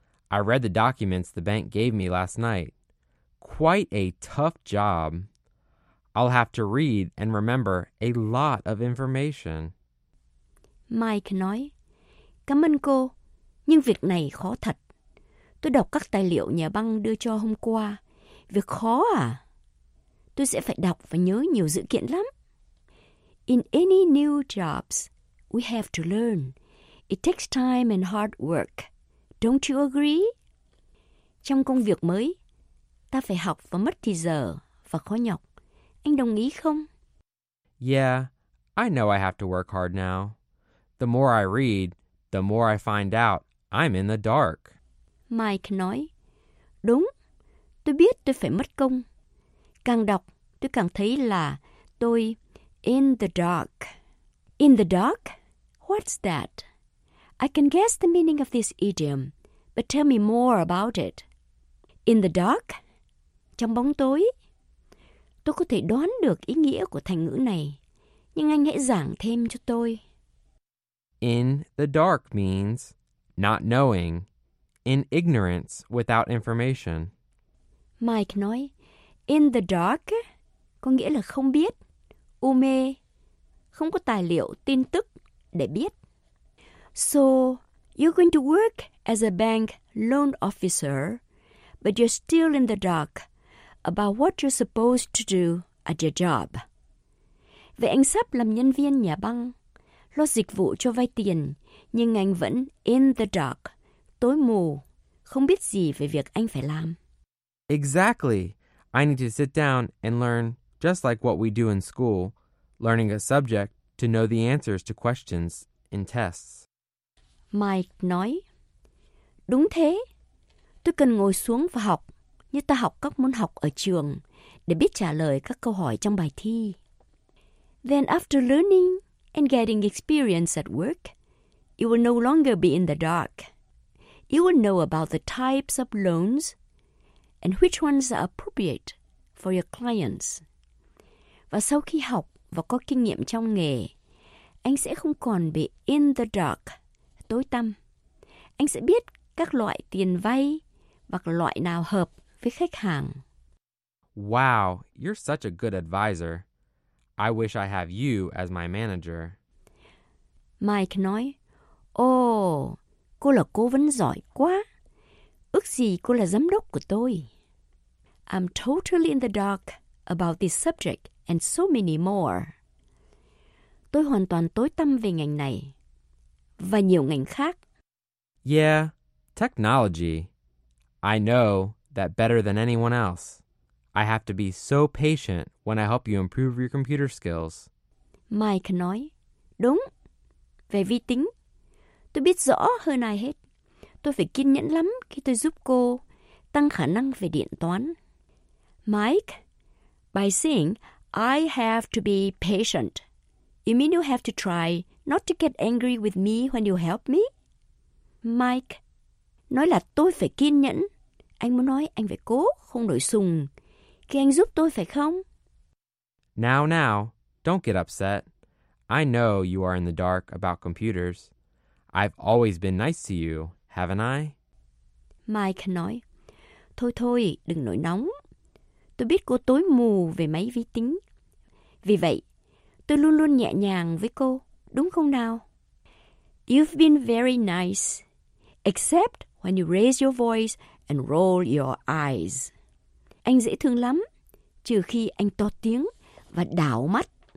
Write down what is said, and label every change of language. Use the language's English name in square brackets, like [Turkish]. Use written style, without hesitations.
[English] I read the documents the bank gave me last night. Quite a tough job. I'll have to read and remember a lot of information. [Vietnamese] Mike nói, cảm ơn cô, nhưng việc này khó thật. Tôi đọc các tài liệu nhà băng đưa cho hôm qua. Việc khó à? Tôi sẽ phải đọc và nhớ nhiều dữ kiện lắm. [English] In any new jobs, we have to learn. It takes time and hard work. Don't you agree? [Vietnamese] Trong công việc mới, ta phải học và mất thì giờ và khó nhọc. Anh đồng ý không? [English] Yeah, I know I have to work hard now. The more I read, the more I find out I'm in the dark. [Vietnamese] Mike nói, đúng, tôi biết tôi phải mất công. Càng đọc, tôi càng thấy là tôi in the dark. [English] In the dark? What's that? I can guess the meaning of this idiom, but tell me more about it. In the dark? [Vietnamese] Trong bóng tối. Tôi có thể đoán được ý nghĩa của thành ngữ này, nhưng anh hãy giảng thêm cho tôi. [English] In the dark means not knowing, in ignorance without information. [Vietnamese] Mike nói, in the dark có nghĩa là không biết, u mê, không có tài liệu, tin tức để biết. [English] So, you're going to work as a bank loan officer, but you're still in the dark about what you're supposed to do at your job. [Vietnamese] Vậy anh sắp làm nhân viên nhà băng, lo dịch vụ cho vay tiền, nhưng anh vẫn in the dark, tối mù, không biết gì về việc anh phải làm. [English] Exactly. I need to sit down and learn, just like what we do in school, learning a subject to know the answers to questions in tests. [Vietnamese] Mike nói, đúng thế, tôi cần ngồi xuống và học như ta học các môn học ở trường để biết trả lời các câu hỏi trong bài thi. [English] Then after learning and getting experience at work, you will no longer be in the dark. You will know about the types of loans and which ones are appropriate for your clients. [Vietnamese] Và sau khi học và có kinh nghiệm trong nghề, anh sẽ không còn bị in the dark. Tối tăm. Anh sẽ biết các loại tiền vay hoặc loại nào hợp với khách hàng. [English] Wow, you're such a good advisor. I wish I have you as my manager. [Vietnamese] Mike nói, cô là cố vấn giỏi quá. Ước gì cô là giám đốc của tôi. [English] I'm totally in the dark about this subject and so many more. [Vietnamese] Tôi hoàn toàn tối tăm về ngành này. Và nhiều ngành khác. [English] Yeah, technology. I know that better than anyone else. I have to be so patient when I help you improve your computer skills. [Vietnamese] Mike nói, đúng, về vi tính. Tôi biết rõ hơn ai hết. Tôi phải kiên nhẫn lắm khi tôi giúp cô tăng khả năng về điện toán. [English] Mike, by saying I have to be patient, you mean you have to try not to get angry with me when you help me? [Vietnamese] Mike, nói là tôi phải kiên nhẫn. Anh muốn nói anh phải cố, không đổi sùng. Khi anh giúp tôi phải không? [English] Now, now, don't get upset. I know you are in the dark about computers. I've always been nice to you, haven't I? [Vietnamese] Mike nói, thôi thôi, đừng nổi nóng. Tôi biết cô tối mù về máy vi tính. Vì vậy, tôi luôn luôn nhẹ nhàng với cô, đúng không nào? [English] You've been very nice, except when you raise your voice and roll your eyes. [Vietnamese] Anh dễ thương lắm, trừ khi anh to tiếng và đảo mắt.